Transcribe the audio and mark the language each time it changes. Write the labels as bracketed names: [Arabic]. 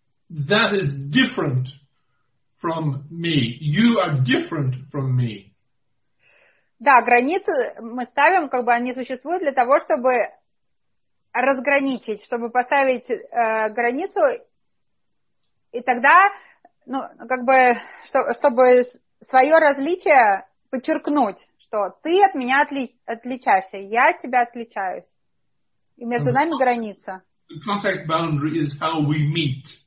[English] That is different from me. You are different from me. [Russian] Да, границы мы ставим, как бы они существуют для того, чтобы разграничить, чтобы поставить границу, и тогда, ну, как бы, чтобы свое различие подчеркнуть. Что ты от меня отличаешься, я от тебя отличаюсь. И между нами граница. [English] The contact boundary is how we meet.